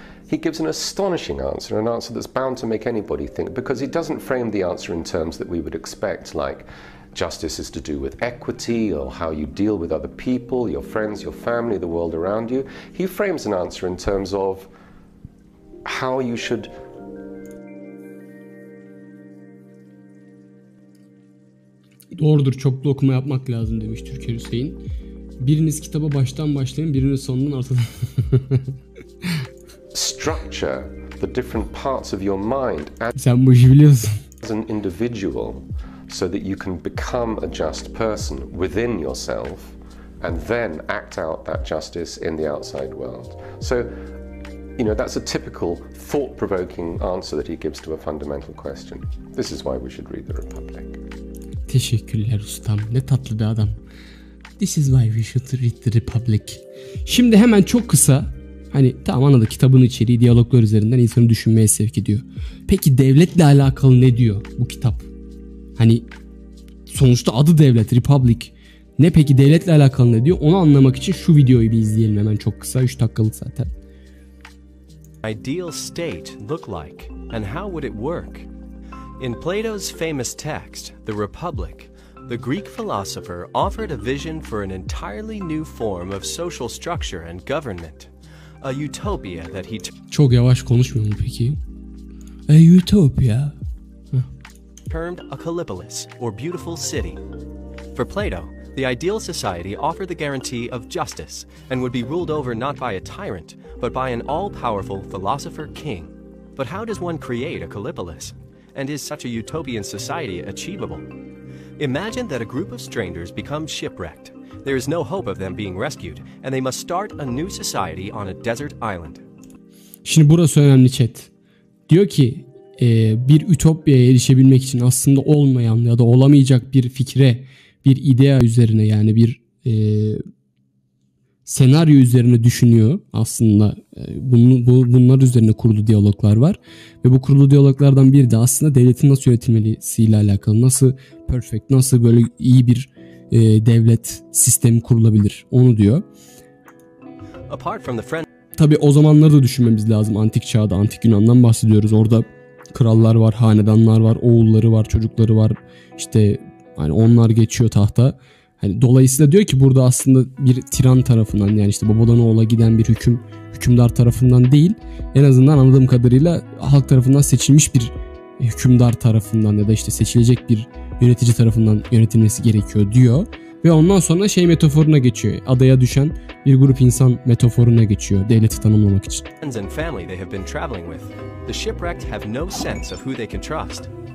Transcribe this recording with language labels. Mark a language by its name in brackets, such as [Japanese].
[English] He gives an astonishing answer, an answer that's bound to make anybody think, because he doesn't frame the answer in terms that we would expect, like justice is to do with equity or how you deal with other people, your friends, your family, the world around you. He frames an answer in terms of how you should... [Turkish] Doğrudur, çoklu okuma yapmak lazım demiş Türker Hüseyin. Biriniz kitaba baştan başlayın, biriniz sonundan ortadan. [English] Structure the different parts of your mind. [Turkish] Sen bu işi biliyorsun. [English] As an individual, so that you can become a just person within yourself, and then act out that justice in the outside world. So, you know, that's a typical thought-provoking answer that he gives to a fundamental question. This is why we should read The Republic. [Turkish] Teşekkürler ustam. Ne tatlı bir adam. [English] This is why we should read The Republic. [Turkish] Şimdi hemen çok kısa. Hani tamam anladım, kitabın içeriği diyaloglar üzerinden insanı düşünmeye sevk ediyor. Peki devletle alakalı ne diyor bu kitap? Hani sonuçta adı devlet, Republic. Ne peki devletle alakalı ne diyor? Onu anlamak için şu videoyu bir izleyelim hemen çok kısa. 3 dakikalık zaten. [English] Ideal state look like and how would it work? In Plato's famous text, The Republic, the Greek philosopher offered a vision for an entirely new form of social structure and government. A utopia that he [Turkish] Çok yavaş konuşmuyor mu peki? [English] A utopia. Termed a kallipolis, or beautiful city. For Plato, the ideal society offered the guarantee of justice and would be ruled over not by a tyrant, but by an all-powerful philosopher king. But how does one create a kallipolis? And is such a utopian society achievable? Imagine that a group of strangers become shipwrecked. There is no hope of them being rescued, and they must start a new society on a desert island. [Turkish] Şimdi burası önemli chat. Diyor ki, bir ütopyaya erişebilmek için aslında olmayan ya da olamayacak bir fikre, bir idea üzerine, yani bir senaryo üzerine düşünüyor. Aslında bunlar üzerine kurulu diyaloglar var. Ve bu kurulu diyaloglardan biri de aslında devletin nasıl yönetilmesiyle alakalı. Nasıl perfect, nasıl böyle iyi bir devlet sistemi kurulabilir, onu diyor. [English] Apart from the friend... [Turkish] Tabii o zamanları da düşünmemiz lazım. Antik çağda, antik Yunan'dan bahsediyoruz. Orada krallar var, hanedanlar var, oğulları var, çocukları var. İşte hani onlar geçiyor tahta. Hani dolayısıyla diyor ki burada aslında bir tiran tarafından, yani işte babadan oğula giden bir hükümdar tarafından değil, en azından anladığım kadarıyla halk tarafından seçilmiş bir hükümdar tarafından ya da işte seçilecek bir yönetici tarafından yönetilmesi gerekiyor diyor. Ve ondan sonra şey metaforuna geçiyor. Adaya düşen bir grup insan metaforuna geçiyor devleti tanımlamak için. [English] And family they have been traveling with. The shipwrecked have no sense of who they can trust.